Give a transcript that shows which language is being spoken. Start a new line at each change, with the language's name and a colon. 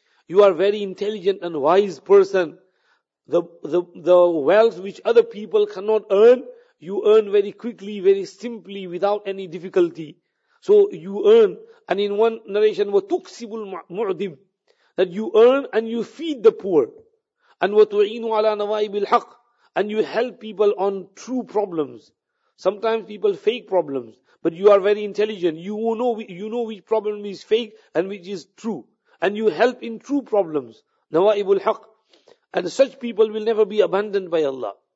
English: You are a very intelligent and wise person. The wealth which other people cannot earn, you earn very quickly, very simply, without any difficulty. So you earn. And in one narration,
Arabic: وَتُكْسِبُ الْمُعْدِمِ.
English: That you earn and you feed the poor.
Arabic: And وَتُعِينُ عَلَىٰ نَوَائِبِ الْحَقِّ.
English: And you help people on true problems. Sometimes people fake problems. But But you are very intelligent. You know which problem is fake and which is true. And you help in true problems. Nawaibul Haq. And such people will never be abandoned by Allah.